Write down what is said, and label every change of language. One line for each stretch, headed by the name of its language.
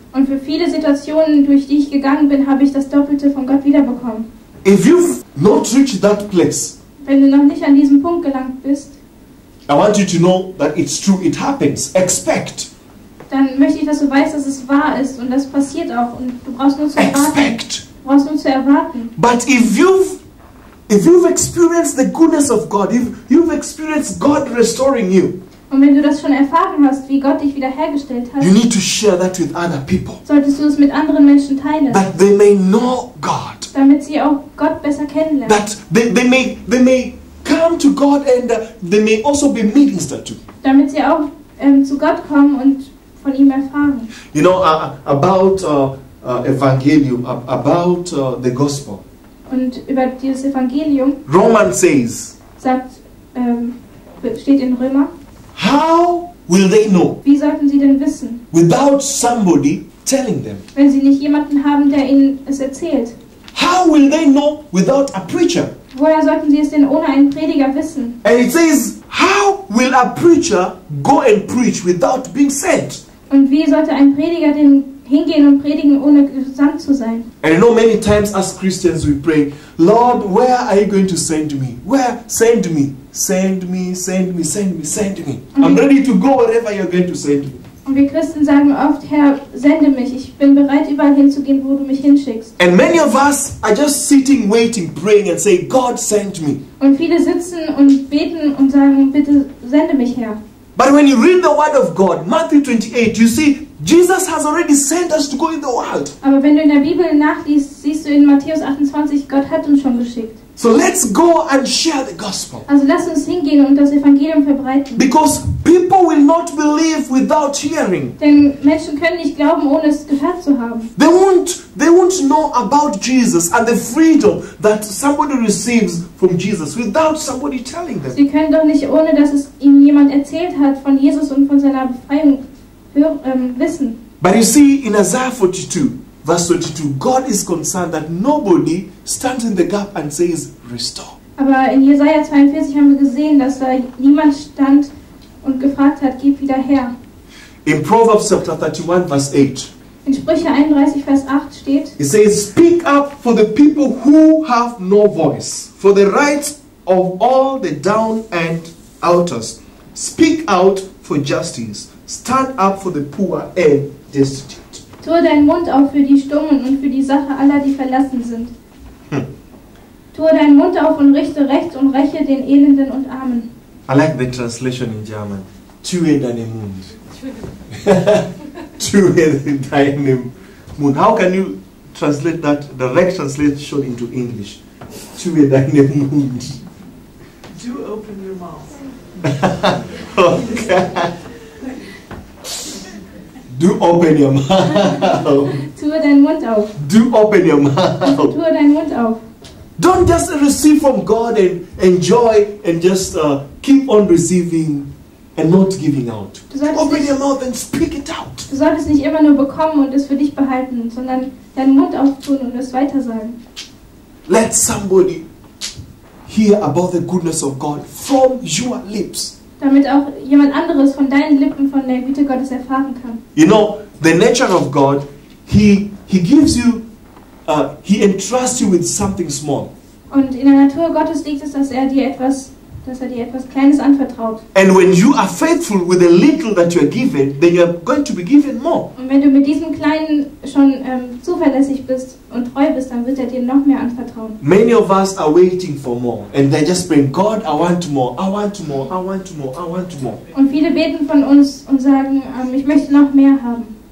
German: Und für viele Situationen, durch die ich gegangen bin, habe ich das Doppelte von Gott wiederbekommen.
English: If you've not reached that place,
German: wenn du noch nicht an diesem Punkt gelangt bist,
English: I want you to know that it's true, it happens. Expect.
German: Dann möchte ich, dass du weißt, dass es wahr ist und das passiert auch und du brauchst nur zu erwarten.
English: Expect.
German: Du brauchst nur zu erwarten.
English: But if you've experienced the goodness of God, if you've experienced God restoring you,
German: und wenn du das schon erfahren hast, wie Gott dich wiederhergestellt hat,
English: you need to share that with other people.
German: Solltest du es mit anderen Menschen teilen.
English: That they may know God.
German: Damit sie auch Gott besser kennenlernen.
English: That they may come to God and they may also be ministered to.
German: Damit sie auch zu Gott kommen und von ihm erfahren.
English: You know, about the gospel.
German: Und über dieses Evangelium.
English: Romans says.
German: Steht in Römer.
English: How will they know?
German: Wie sollten sie denn wissen?
English: Without somebody telling them.
German: Wenn sie nicht jemanden haben, der ihnen es erzählt.
English: How will they know without a preacher?
German: Woher sollten sie es denn ohne einen Prediger wissen?
English: And it says, how will a preacher go and preach without being sent?
German: Und wie sollte ein Prediger denn hingehen und predigen, ohne gesandt zu sein?
English: And I know many times as Christians we pray, Lord, where are you going to send me? Where? Send me. Send me, send me, send me, send me. I'm ready to go wherever you're going to send me.
German: Und wir Christen sagen oft, Herr, sende mich. Ich bin bereit, überall hinzugehen, wo du mich hinschickst.
English: And many of us are just sitting, waiting, praying and say, God, send me.
German: Und viele sitzen und beten und sagen, bitte sende mich, Herr.
English: But when you read the word of God, Matthew 28, you see, Jesus has already sent us to go in the world.
German: Aber wenn du in der Bibel nachliest, siehst du in Matthäus 28, Gott hat uns schon geschickt.
English: So let's go and share the gospel.
German: Also lass uns hingehen und das Evangelium verbreiten.
English: Because people will not believe without hearing.
German: Denn Menschen können nicht glauben, ohne es gehört zu haben.
English: They won't know about Jesus and the freedom that somebody receives from Jesus without somebody telling them.
German: Sie können doch nicht, ohne dass es ihnen jemand erzählt hat von Jesus und von seiner Befreiung, wissen.
English: But you see, in Isaiah 42, verse 22, God is concerned that nobody stands in the gap and says, restore.
German: Aber in Jesaja 42 haben wir gesehen, dass da niemand stand und gefragt hat, gib wieder her.
English: In Proverbs chapter 31, verse 8,
German: In Sprüche 31 Vers 8 steht:
English: It says, "Speak up for the people who have no voice, for the rights of all the down and outers. Speak out for justice. Stand up for the poor and destitute."
German: Tue deinen Mund auf für die Stummen und für die Sache aller, die verlassen sind. Tue deinen Mund auf und richte Recht und räche den Elenden und Armen.
English: I like the translation in German.
German: Tue deinen Mund. Tue deinen Mund.
English: How can you translate that direct translation into English?
German: Tue deinen Mund.
English: Do open your mouth. Do open your mouth.
German: Tue deinen Mund auf.
English: Do open your mouth.
German: Tue deinen Mund auf.
English: Don't just receive from God and enjoy and just keep on receiving and not giving out. Open your mouth and speak it out.
German: Du solltest nicht immer nur bekommen und es für dich behalten, sondern deinen Mund auftun und es weiter sagen.
English: Let somebody hear about the goodness of God from your lips.
German: Damit auch jemand anderes von deinen Lippen von der Güte Gottes erfahren kann.
English: You know, the nature of God, he gives you, he entrusts you with something small.
German: Und in der Natur Gottes liegt es, dass er dir etwas Kleines anvertraut.
English: And when you are faithful with the little that you are given, then you are going to be given more.
German: Und wenn du mit diesem Kleinen schon zuverlässig bist und treu bist, dann wird er dir noch mehr anvertrauen.
English: Many of us are waiting for more, and they just pray, God, I want more, I want more, I want more, I want more.
German: Und viele beten von uns und sagen, ich möchte noch mehr haben.